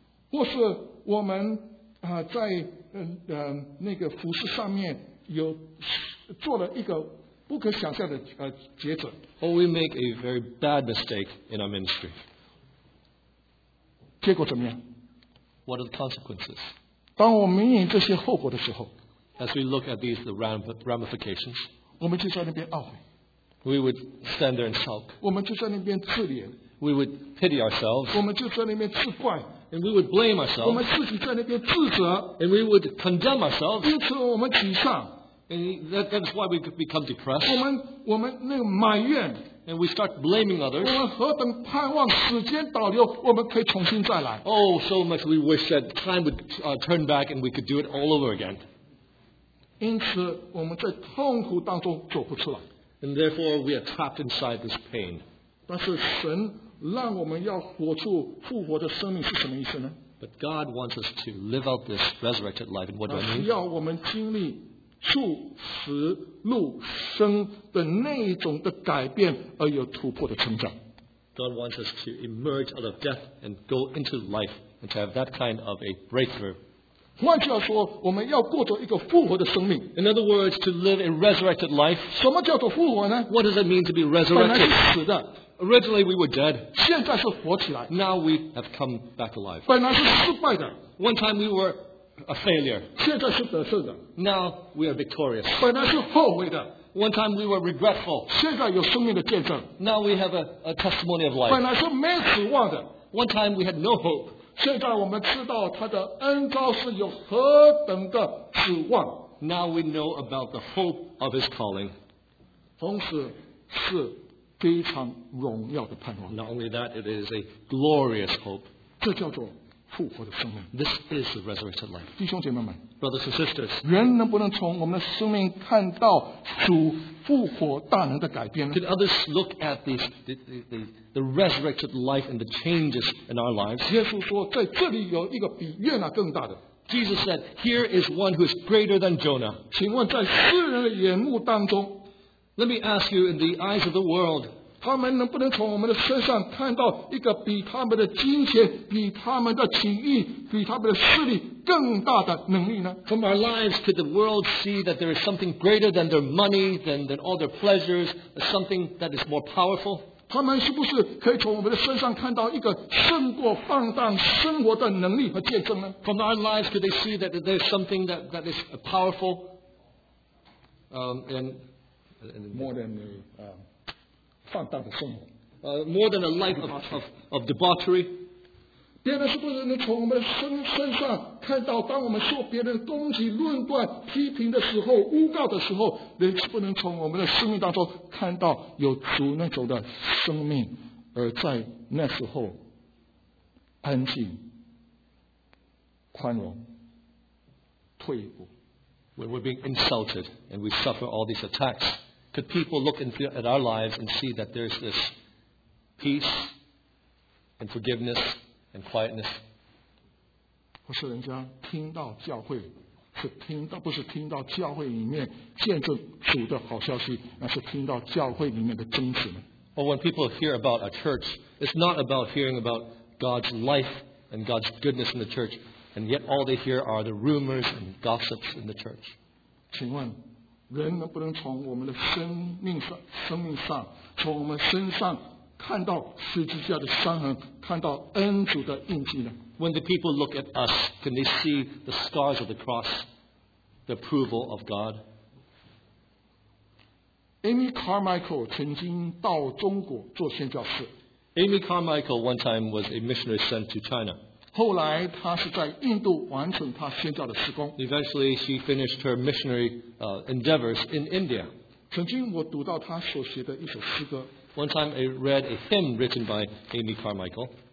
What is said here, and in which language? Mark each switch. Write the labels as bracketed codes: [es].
[zh] 或是我们在那个服事上面有做了一个不可想象的抉择。 [en] Or we make a very bad mistake in our ministry. [zh] 结果怎么样？ [en] What are the consequences? [zh] 当我们面临这些后果的时候， [en] As we look at these the ramifications, [zh] 我们就在那边懊悔。 [en] We would stand there and sulk. [zh] 我们就在那边自怜。 [en] We would pity ourselves. [zh] 我们就在那边自怪。 [en] And we would blame ourselves. [zh] 我们自己在那边自责。 [en] And we would condemn ourselves. [zh] 因此我们沮丧。 [en] And that is why we become depressed. [zh] 我们那个埋怨。 [en] And we start blaming others. [zh] 我们何等盼望时间倒流，我们可以重新再来。 [en] Oh, so much we wish that time would turn back and we could do it all over again. [zh] 因此我们在痛苦当中走不出来。 [en] And therefore we are trapped inside this pain. [zh] 但是神让我们要活出复活的生命是什么意思呢？ [en] But God wants us to live out this resurrected life. And what do I mean? [zh] 要我们经历出死入生的那一种的改变而有突破的成长。 [en] God wants us to emerge out of death and go into life and to have that kind of a breakthrough. [zh] 换句话说，我们要过着一个复活的生命。 [en] In other words, to live a resurrected life. [zh] 什么叫做复活呢？ [en] What does it mean to be resurrected? [zh] 本来是死的。 [en] Originally we were dead. [zh] 现在是活起来。 [en] Now we have come back alive. [zh] 本来是失败的。 [en] One time we were a failure. [zh] 现在是得胜的。 [en] Now we are victorious. [zh] 本来是后悔的。 [en] One time we were regretful. [zh] 现在有生命的见证。 [en] Now we have a testimony of life. [zh] 本来是没指望的。 [en] One time we had no hope. [zh] 现在我们知道他的恩召是有何等的指望。 [en] Now we know about the hope of his calling. [zh] 同时是非常荣耀的盼望。 [en] Not only that, it is a glorious hope. [zh] 这叫做复活的生命。 [en] This is the resurrected life. [zh] 弟兄姐妹们。 [en] Brothers and sisters, [zh] 人能不能从我们的生命看到主复活大能的改变呢？ [en] Can others look at these, the resurrected life and the changes in our lives? [zh] 耶稣说，在这里有一个比约拿更大的。 [en] Jesus said, here is one who is greater than Jonah. [zh] 请问在世人的眼目当中， [en] Let me ask you, in the eyes of the world, [zh] 他们能不能从我们的身上看到一个比他们的金钱、比他们的情欲、比他们的势力更大的能力呢？ [en] From our lives, could the world see that there is something greater than their money, than all their pleasures, something that is more powerful? [zh] 他们是不是可以从我们的身上看到一个胜过放荡生活的能力和见证呢？ [en] From our lives, could they see that there is something that is powerful, and more than the [zh] 放荡的生活， [en] more than a life of debauchery? [zh] 别人是不是能从我们的身上看到，当我们受别人攻击、论断、批评的时候、诬告的时候，人是不能从我们的生命当中看到有主那种的生命，而在那时候安静、宽容、退步？ [en] When we're being insulted and we suffer all these attacks, could people look at our lives and see that there's this peace and forgiveness and quietness? [zh] 不是人家听到教会，是听到，不是听到教会里面见证主的好消息，那是听到教会里面的真实吗？ [en] Well, when people hear about a church, it's not about hearing about God's life and God's goodness in the church, and yet all they hear are the rumors and gossips in the church. [zh] 请问人能不能从我们的生命上，从我们身上看到十字架的伤痕，看到恩主的印记呢？ [en] When the people look at us, can they see the scars of the cross, the approval of God? [zh] Amy Carmichael 曾经到中国做宣教士。 [en] Amy Carmichael one time was a missionary sent to China. [zh] 后来她是在印度完成她宣教的事工。 [en] Eventually she finished her missionary endeavors in India. [zh] 曾经我读到她所写的一首诗歌。 [en] One time I read a hymn written by Amy Carmichael.